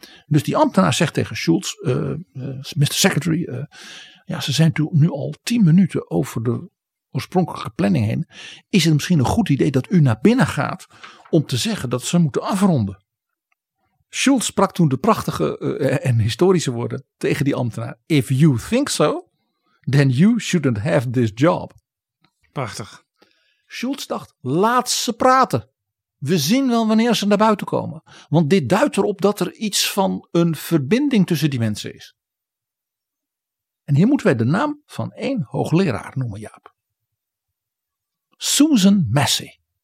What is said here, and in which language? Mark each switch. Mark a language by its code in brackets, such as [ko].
[nl] Dus die ambtenaar zegt tegen Schultz, Mr. Secretary, ja, ze zijn nu al 10 minuten over de oorspronkelijke planning heen. Is het misschien een goed idee dat u naar binnen gaat om te zeggen dat ze moeten afronden? Schultz sprak toen de prachtige en historische woorden tegen die ambtenaar. [en] If you think so, then you shouldn't have this job. [nl] Prachtig. Schultz dacht, laat ze praten. We zien wel wanneer ze naar buiten komen. Want dit duidt erop dat er iets van een verbinding tussen die mensen is. En hier moeten wij de naam van één hoogleraar noemen, Jaap. Susan Massey.